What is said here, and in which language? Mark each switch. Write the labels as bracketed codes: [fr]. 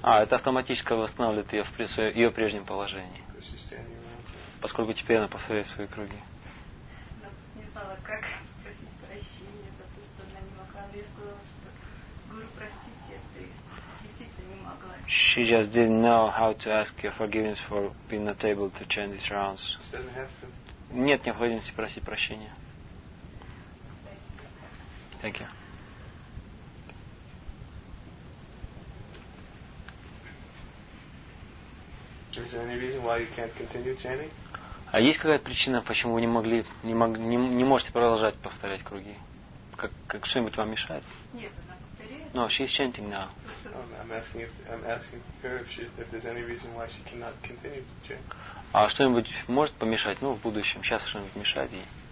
[ru] А, это автоматически восстанавливает ее в ее прежнем положении. Поскольку теперь она повторяет свои круги. Не знала, как просить прощения за то, что она не могла. Я сказала, что гуру простите, а ты действительно не могла. [en] She just didn't know how to ask your forgiveness for being not able to chant these rounds. She doesn't have to. [ru] Нет необходимости просить прощения. [en] Thank you. Is there any reason why you can't continue chanting? [ru] А есть какая-то причина, почему вы не можете продолжать повторять круги? Как что-нибудь вам мешает? Нет, она повторяет. [en] No, she's chanting now. I'm asking her if there's any reason why she cannot continue to chant. [ru] А что-нибудь может помешать? Ну, в будущем. Сейчас что-нибудь мешает ей?